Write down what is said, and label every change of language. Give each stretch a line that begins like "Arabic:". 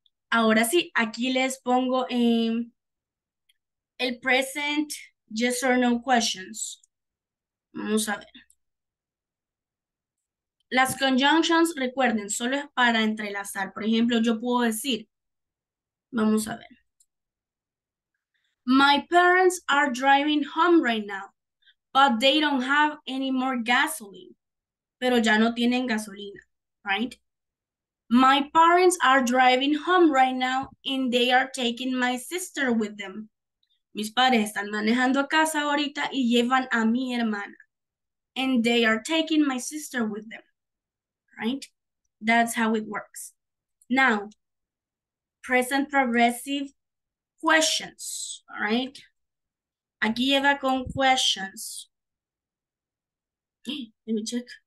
Spanish: Ahora sí, aquí les pongo el
English: present yes or no questions.
Spanish: Vamos a ver. Las conjunctions, recuerden, solo es para entrelazar. Por ejemplo, yo puedo decir, vamos a ver.
English: My parents are driving home right now, but they don't have any more gasoline.
Spanish: Pero ya no tienen gasolina,
English: right? My parents are driving home right now and they are taking my sister with them.
Spanish: Mis padres están manejando a casa ahorita y llevan a mi hermana.
English: And they are taking my sister with them, right? That's how it works. Now, present progressive questions, all right?
Spanish: Aquí lleva con
English: questions. Let me check.